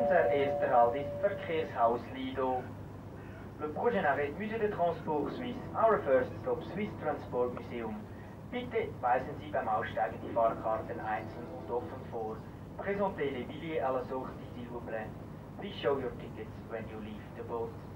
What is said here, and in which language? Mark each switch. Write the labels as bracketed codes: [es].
[de] Erster Halt ist Verkehrshaus Lido. [fr] Le prochain arrêt, Musée de Transport Suisse, [en] our first stop, Swiss Transport Museum. [de] Bitte weisen Sie beim Aussteigen die Fahrkarten einzeln und offen vor. [fr] Présentez les billets à la sortie, s'il vous plaît. [en] Please show your tickets when you leave the boat.